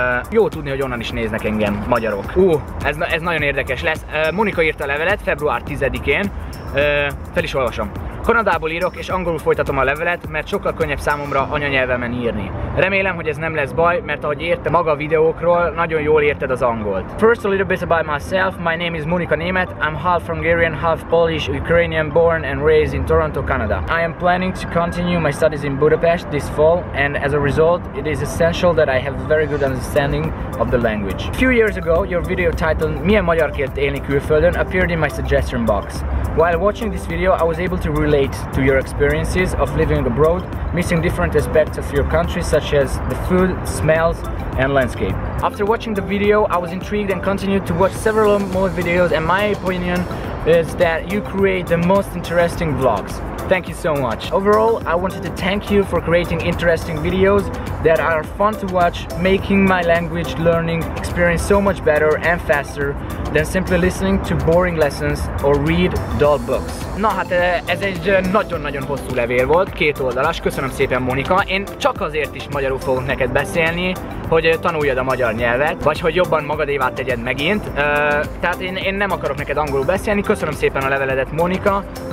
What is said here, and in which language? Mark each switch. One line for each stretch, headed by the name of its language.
Hungarian: Jó tudni, hogy onnan is néznek engem magyarok. Ez nagyon érdekes lesz. Monika írta a levelet február 10-én. Fel is olvasom. Kanadából írok és angolul folytatom a levelet, mert sokkal könnyebb számomra anyanyelvemen írni. Remélem, hogy ez nem lesz baj, mert ahogy érte maga a videókról, nagyon jól érted az angolt.
English: First a little bit about myself, my name is Monika Német, I'm half Hungarian, half Polish, Ukrainian, born and raised in Toronto, Canada. I am planning to continue my studies in Budapest this fall, and as a result, it is essential that I have a very good understanding of the language. A few years ago, your video titled
Hungarian: Milyen magyarként élni külföldön
English: appeared in my suggestion box. While watching this video, I was able to relate to your experiences of living abroad, missing different aspects of your country such as the food, smells, and landscape. After watching the video, I was intrigued and continued to watch several more videos, and my opinion is that you create the most interesting vlogs. Thank you so much. Overall, I wanted to thank you for creating interesting videos that are fun to watch, making my language learning experience so much better and faster than simply listening to boring lessons or read dull books.
Hungarian: Na hát ez egy nagyon-nagyon hosszú levél volt, két oldalas. Köszönöm szépen, Monika. Én csak azért is magyarul fogok neked beszélni, hogy tanuljad a magyar nyelvet, vagy hogy jobban magadévá tegyed megint. Tehát én nem akarok neked angolul beszélni, köszönöm szépen a leveledet, Monika.